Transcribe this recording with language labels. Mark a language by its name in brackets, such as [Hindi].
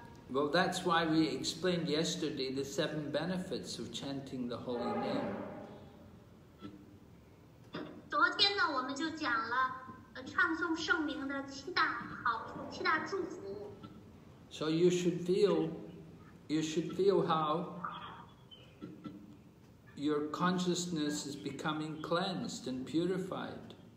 [English] Well, that's why we explained yesterday the seven benefits of chanting the holy name. [Chinese] 昨天呢，我们就讲了唱诵圣名的七大好处，七大祝福。 [English] So you should feel how your consciousness is becoming cleansed and purified.